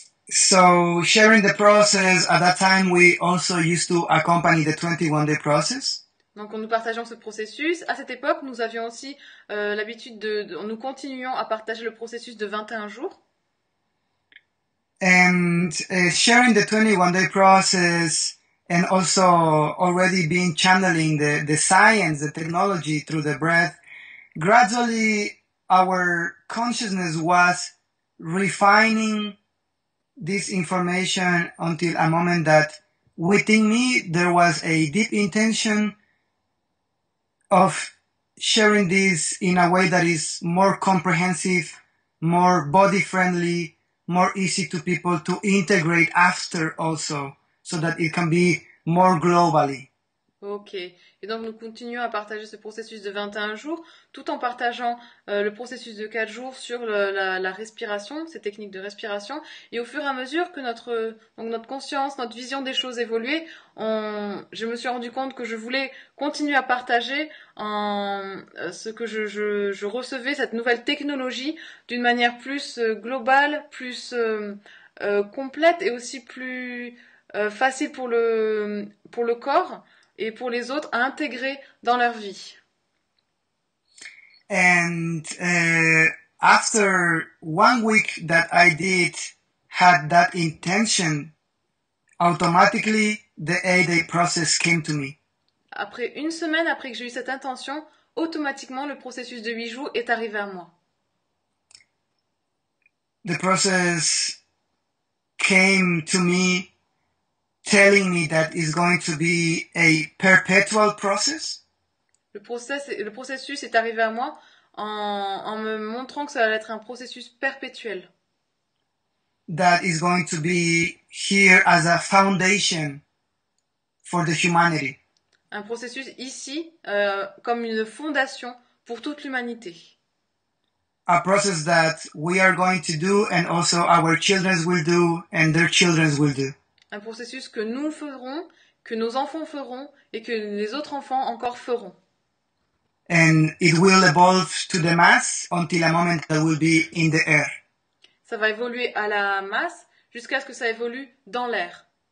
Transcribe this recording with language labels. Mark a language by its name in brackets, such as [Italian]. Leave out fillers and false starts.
[English] So sharing the process at that time, we also used to accompany the 21-day process. [French] Donc, nous partageons ce processus. À cette époque, nous avions aussi l'habitude nous continuions à partager le processus de 21 jours. [English] And sharing the 21-day process, and also already being channeling the science, the technology through the breath, gradually our consciousness was refining this information until a moment that within me there was a deep intention of sharing this in a way that is more comprehensive, more body friendly, more easy to people to integrate after also, so that it can be more globally. [French] Ok, et donc nous continuons à partager ce processus de 21 jours tout en partageant le processus de 4 jours sur la respiration, ces techniques de respiration. Et au fur et à mesure que notre conscience, notre vision des choses évoluait, je me suis rendu compte que je voulais continuer à partager ce que je recevais, cette nouvelle technologie, d'une manière plus globale, plus complète et aussi plus facile pour le corps. Et pour les autres, à intégrer dans leur vie. [English] And after 1 week that I did had that intention, automatically the 8 day process came to me. [French] Après une semaine, après que j'ai eu cette intention, automatiquement le processus de 8 jours est arrivé à moi. [English] The process came to me telling me that it's going to be a perpetual process. [French] Le processus est arrivé à moi en me montrant que ça allait être un processus perpétuel. [English] That is going to be here as a foundation for the humanity. [French] Un processus ici, comme une fondation pour toute l'humanité. [English] A process that we are going to do, and also our children will do, and their children will do. [French] Un processus que nous ferons, que nos enfants feront et que les autres enfants encore feront. [English] And it will evolve to the mass until a moment that will be in the air. [French] Ça va évoluer à la masse jusqu'à ce que ça évolue dans l'air.